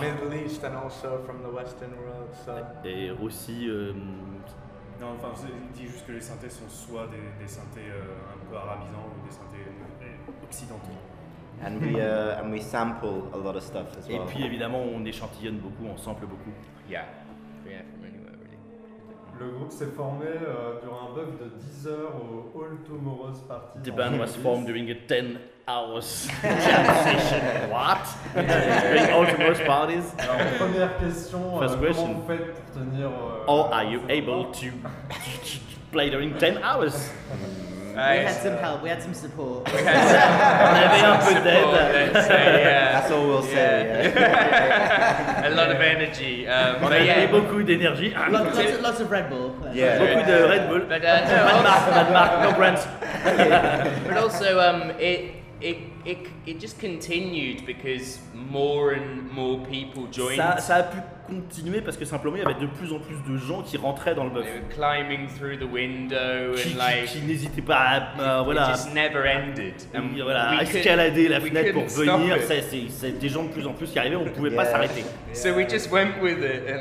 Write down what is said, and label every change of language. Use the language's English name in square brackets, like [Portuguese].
[English] Middle East and also from the Western world. So. [French] Et aussi. Non, enfin, il dit juste que les synthés sont soit des synthés un peu arabisants ou des synthés occidentaux. [English] And we sample a lot of stuff as well. [French] Et puis évidemment, on échantillonne beaucoup, on sample beaucoup. [English] Yeah, from anywhere really. [French] Le groupe s'est formé durant un bug de 10 heures au Hall Tomorrow's Party. [English] The band was formed during a 10 hours jam session. What? During all Tomorrow's parties? [French] Alors, première question, comment vous faites pour tenir. [English] Or are you able to play during 10 hours? We had some help, we had some support. [French] On avait un peu d'aide. [English] That's all we'll say. Yeah. A lot of energy. [French] On avait beaucoup d'énergie. [English] Lots of Red Bull. [French] Yeah. Beaucoup de Red Bull. [English] Bad mark, no brands. But also, it just continued because more and more people joined. [French] Ça a pu continuer parce que simplement il y avait de plus en plus de gens qui rentraient dans le bœuf. [English] Climbing through the window and like [French] qui n'hésitaient pas à voilà. [English] It just never ended. [French] Voilà, escalader la fenêtre pour venir. C'est des gens de plus en plus qui arrivaient. On ne pouvait pas s'arrêter. [English] So we just went with it.